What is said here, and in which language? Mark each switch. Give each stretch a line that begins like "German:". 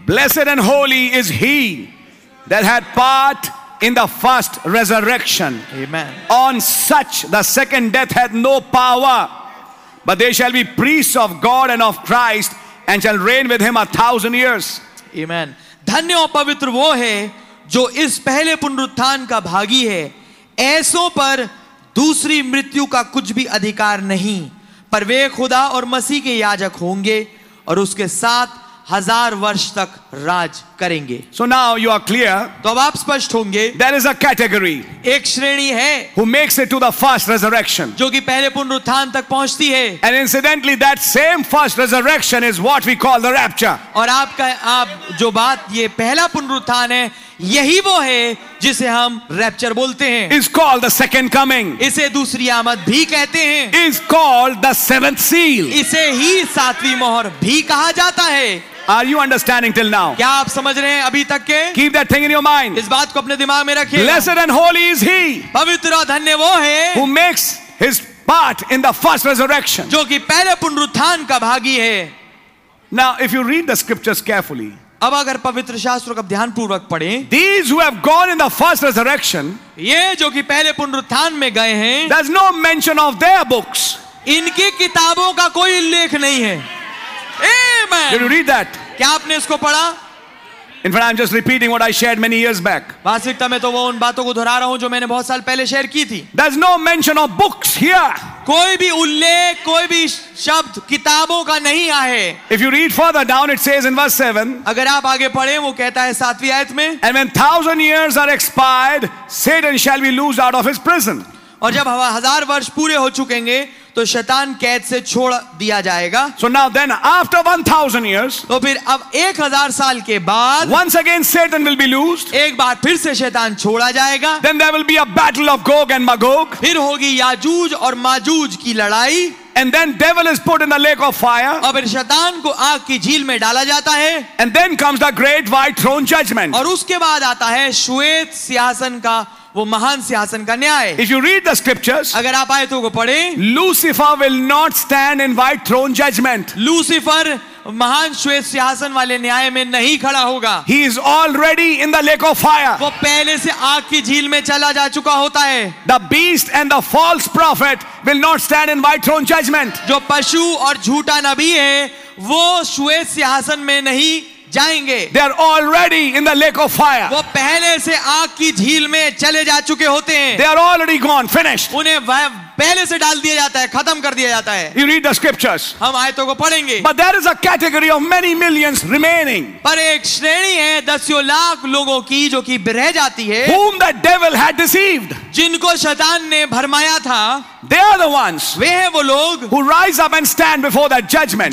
English: Blessed and holy is he that had part in the first resurrection. Amen. On such the second death had no power. But they shall be priests of God and of Christ, and shall reign with him 1,000 years. Amen.
Hindi: धन्य और पवित्र वो है जो इस पहले पुनरुत्थान का भागी है. ऐसों पर दूसरी मृत्यु का कुछ भी अधिकार नहीं, पर वे खुदा और मसीह के याजक होंगे और उसके साथ 1,000 वर्ष तक राज करेंगे.
English: So now you are clear.
Hindi: तो अब आप स्पष्ट होंगे.
English: There is a category.
Hindi: एक श्रेणी है.
English: Who makes it to the first resurrection?
Hindi: जो कि पहले पुनरुत्थान तक पहुंचती है.
English: And incidentally, that same first resurrection is what we call the rapture.
Hindi: और आपका आप जो बात ये पहला पुनरुत्थान है, यही वो है जिसे हम रैप्चर बोलते हैं.
English: Is called the second coming.
Hindi: इसे दूसरी आमद भी कहते हैं.
English: Is called the seventh seal.
Hindi: इसे ही सातवीं मोहर भी कहा जाता है.
English: Are you understanding till now?
Hindi: क्या आप समझ रहे हैं अभी तक के?
English: Keep that thing in your mind.
Hindi: इस बात को अपने दिमाग में रखिए.
English: Blessed and holy is he.
Hindi: पवित्र और धन्य वो है.
English: Who makes his part in the first resurrection.
Hindi: जो कि पहले पुनरुत्थान का भागी है.
English: Now if you read the scriptures carefully.
Hindi: अब अगर पवित्र शास्त्रों का ध्यान पूर्वक पढ़ें.
English: These who have gone in the first resurrection.
Hindi: ये जो कि पहले पुनरुत्थान में गए हैं.
English: There's no mention of their books.
Hindi: इनकी किताबों का कोई उल्लेख नहीं है.
English: Amen. Did you read that?
Hindi: क्या आपने इसको पढ़ा?
English: In fact, I'm just repeating what I shared many years back.
Hindi: वास्तविकता में तो वो उन बातों को दोहरा रहा हूँ जो मैंने बहुत साल पहले शेयर की थी.
English: There's no mention of books here.
Hindi: कोई भी उल्लेख, कोई भी शब्द किताबों का नहीं आए.
English: If you read further down, it says in verse 7.
Hindi: अगर आप आगे पढ़ें, वो कहता है सातवीं आयत में.
English: And when 1,000 years are expired, Satan shall be loosed out of his prison.
Hindi: और जब 1,000 वर्ष पूरे हो चुकेंगे, तो शैतान कैद से छोड़ दिया जाएगा.
English: So now then after 1000 years,
Hindi: तो फिर अब 1000 साल के बाद,
English: once again Satan will be loosed,
Hindi: एक बार फिर से शैतान छोड़ा जाएगा.
English: Then there will be a battle of Gog and Magog,
Hindi: फिर होगी याजूज और माजूज की लड़ाई.
English: And then devil is put in the lake of fire.
Hindi: और फिर शैतान को आग की झील में डाला जाता है.
English: And then comes the great white throne judgment.
Hindi: और उसके बाद आता है श्वेत सिंहासन का वो महान सिंहासन का न्याय.
English: If you read the scriptures,
Hindi: अगर आप आयतों को पढ़ें,
English: Lucifer will not stand in white throne judgment.
Hindi: Lucifer महान श्वेत सिंहासन वाले न्याय में नहीं खड़ा होगा.
English: He is already in the lake of fire.
Hindi: वो पहले से आग की झील में चला जा चुका होता है.
English: The beast and the false prophet will not stand in white throne judgment.
Hindi: जो पशु और झूठा नबी है वो श्वेत सिंहासन में नहीं जाएंगे.
English: They are already in the lake of fire.
Hindi: वो पहले से आग की झील में चले जा चुके होते हैं.
English: They are already gone, finished.
Hindi: उन्हें पहले से डाल दिया जाता है, खत्म कर दिया जाता है.
English: You read the scriptures.
Hindi: हम आयतों को पढ़ेंगे.
English: But there is a category of many millions remaining.
Hindi: पर एक श्रेणी है दसियों लाख लोगों की जो कि रह जाती है.
English: Whom the devil had deceived.
Hindi: जिनको शैतान ने भरमाया था.
English: They are the ones.
Hindi: वे हैं वो लोग.
English: Who rise up and stand before that judgment.